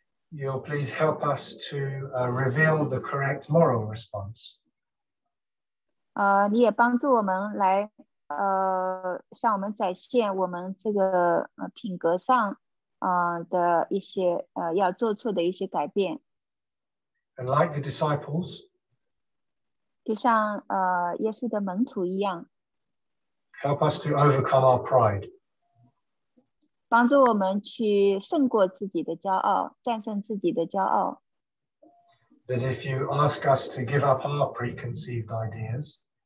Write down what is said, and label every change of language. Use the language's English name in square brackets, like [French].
[English] You'll please help us to reveal the correct moral response. [Chinese] 你也帮助我们来向我们展现我们这个品格上的一些要做出的一些改变。 [English] And like the disciples, [Chinese] 就像耶稣的门徒一样。 [English] Help us to overcome our pride. [Chinese] 帮助我们去胜过自己的骄傲，战胜自己的骄傲。 [English] That if you ask us to give up our preconceived ideas,